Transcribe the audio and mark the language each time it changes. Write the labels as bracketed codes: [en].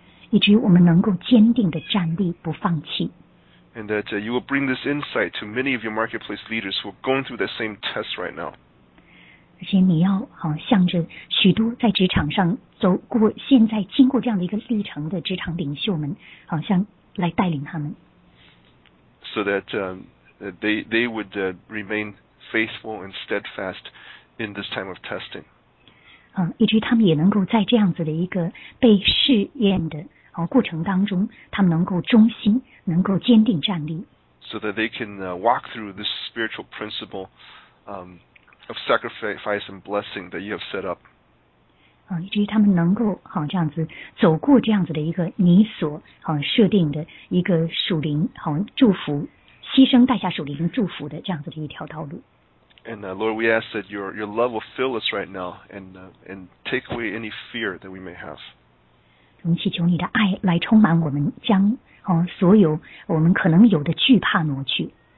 [zh] 以至于我们能够坚定的站立不放弃。 [en] And that you will bring this insight to many of your marketplace leaders who are going through the same test right now. [zh] 而且你要向着许多在职场上走过现在经过这样的一个历程的职场领袖们像来带领他们。 [en] So that they would remain faithful and steadfast in this time of testing. [zh] 以至于他们也能够在这样子的一个被试验的过程当中，他们能够忠心，能够坚定站立。 [en] So that they can walk through this spiritual principle of sacrifice and blessing that you have set up. [zh] 以至于他们能够这样子走过这样子的一个你所设定的一个属灵祝福，牺牲代价属灵祝福的这样子的一条道路。 [en] And Lord, we ask that your love will fill us right now and take away any fear that we may have. [zh] 我们祈求你的爱来充满我们，将所有我们可能有的惧怕挪去。